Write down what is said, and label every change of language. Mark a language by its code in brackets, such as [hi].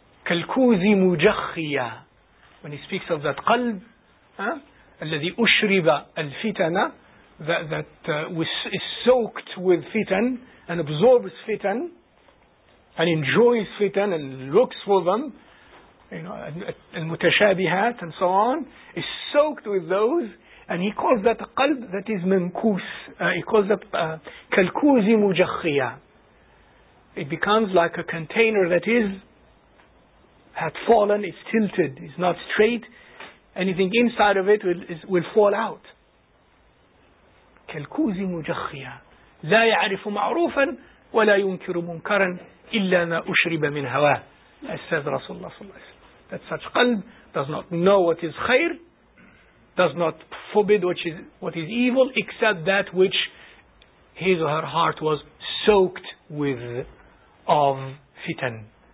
[en] Kalkuzi mujakhiya. When he speaks of that qalb, alladhi ushriba al-fitana, that is soaked with fitan and absorbs fitan and enjoys fitan and looks for them, you know, and mutashabihat and so on, is soaked with those, and he calls that a qalb that is mankus. He calls that kalkuzi mujakhiya. It becomes like a container that is had fallen, it's tilted, it's not straight, anything inside of it will fall out. [ar] كَالْكُوزِ مُجَخِّيَا لَا يَعْرِفُ مَعْرُوفًا وَلَا يُنْكِرُ مُنْكَرًا إِلَّا مَا أُشْرِبَ مِنْ هَوَى, [en] as says Rasulullah sallallahu alayhi wa sallam. That such qalb does not know what is khair, does not forbid what is evil, except that which his or her heart was soaked with of fitan.